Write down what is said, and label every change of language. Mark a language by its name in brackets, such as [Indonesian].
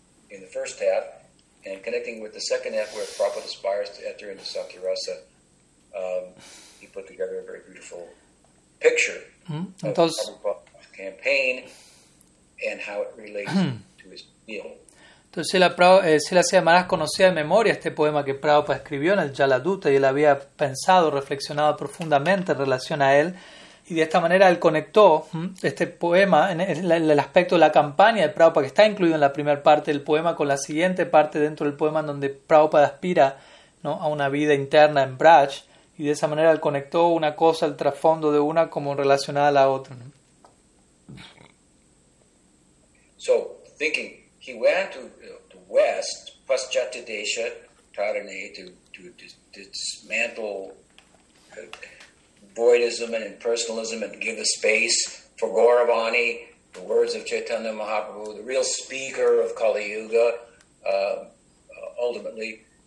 [English] in the first half, and connecting with the second half, where Prabhupada aspires to enter into Sakya Rasa, he put together a very beautiful picture of Prabhupada's campaign and how it relates to his meal. [Spanish] Entonces, Srila Siamaras conocía de memoria este poema que Prabhupada escribió en el Jaladuta y él había pensado, reflexionado profundamente en relación a él. Y de esta manera él conectó este poema en el aspecto de la campaña de Prabhupada, que está incluido en la primera parte del poema, con la siguiente parte dentro del poema en donde Prabhupada aspira, ¿no?, a una vida interna en Braj. Y de esa manera él conectó una cosa, el trasfondo de una, como relacionada a la otra, ¿no? [English] So, thinking, he went to the West, Paschata Desha, Tarane, to dismantle voidism and impersonalism and give a space for Gauravani, the words of Chaitanya Mahaprabhu, the real speaker of Kali Yuga, ultimately.